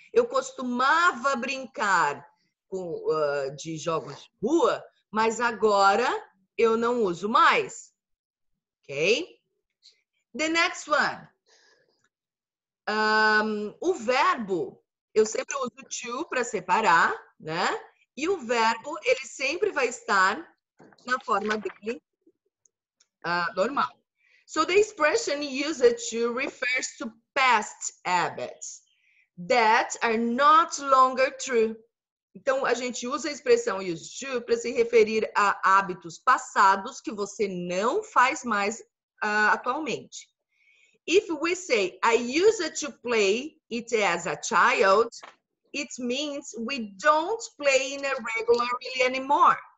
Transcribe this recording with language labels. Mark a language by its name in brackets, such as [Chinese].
[Portuguese] Eu costumava brincar de jogos de rua, mas agora eu não uso mais. Ok? [English] The next one. [Portuguese] O verbo, eu sempre uso to para separar, né? E o verbo, ele sempre vai estar na forma dele normal. [English] So, the expression used to refers to past habits that are not longer true. [Portuguese] Então, a gente usa a expressão use to para se referir a hábitos passados que você não faz mais atualmente. [English] If we say, I use it to play it as a child, it means we don't play in a regular way anymore.